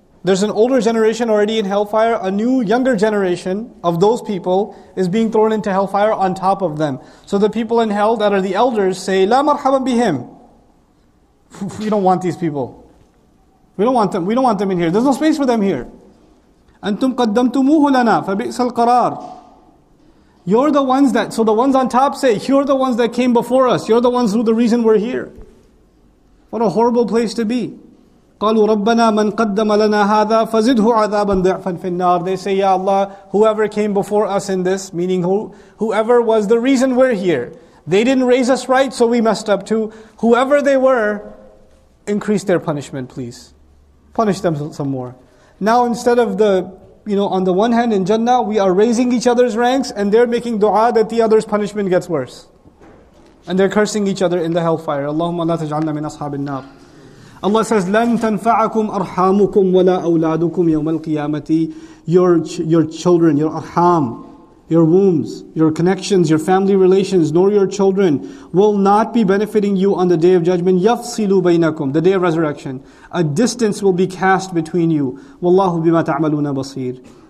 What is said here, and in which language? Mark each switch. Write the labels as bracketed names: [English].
[English] There's an older generation already in hellfire. A new younger generation of those people is being thrown into hellfire on top of them. So the people in hell that are the elders say, [Arabic] لا مرحبا بهم. [English] We don't want these people. We don't want them. We don't want them in here. There's no space for them here. [Arabic] Antum قدمتموه لنا فبئس القرار. [English] You're the ones that, so the ones on top say, you're the ones that came before us. You're the ones who the reason we're here. What a horrible place to be. [Arabic] قَالُوا رَبَّنَا مَنْ قَدَّمَ لَنَا هَذَا فَزِدْهُ عَذَابًا ضِعْفًا فِي النَّارِ. [English] They say, Ya Allah, whoever came before us in this, meaning whoever was the reason we're here. They didn't raise us right, so we messed up too. Whoever they were, increase their punishment, please. Punish them some more. Now instead of the, you know, on the one hand in Jannah, we are raising each other's ranks and they're making dua that the other's punishment gets worse. And they're cursing each other in the hellfire. [Arabic] Allahumma la taj'alna min ashabin nar. [English] Allah says, [Arabic] لَن تَنْفَعَكُمْ أَرْحَامُكُمْ وَلَا أَوْلَادُكُمْ يَوْمَ الْقِيَامَةِ. [English] Your children, your arham, your wombs, your connections, your family relations, nor your children will not be benefiting you on the Day of Judgment. [Arabic] يَفْصِلُوا بَيْنَكُمْ, [English] the Day of Resurrection. A distance will be cast between you. [Arabic] وَاللَّهُ بِمَا تَعْمَلُونَ بَصِيرٌ.